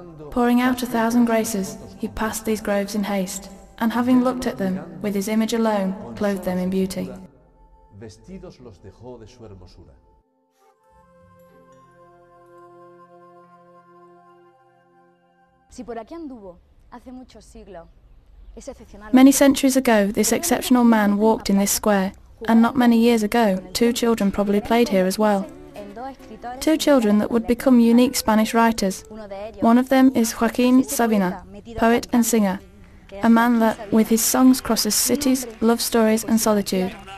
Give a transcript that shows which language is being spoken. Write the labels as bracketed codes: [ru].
[en] Pouring out a thousand graces, he passed these groves in haste, and having looked at them, with his image alone, clothed them in beauty. [es] Vestidos los dejó de su hermosura. Si por aquí anduvo hace muchos siglos, es excepcional. [en] Many centuries ago, this exceptional man walked in this square, and not many years ago, two children probably played here as well. Two children that would become unique Spanish writers. One of them is Joaquín Sabina, poet and singer, a man that, with his songs, crosses cities, love stories and solitude.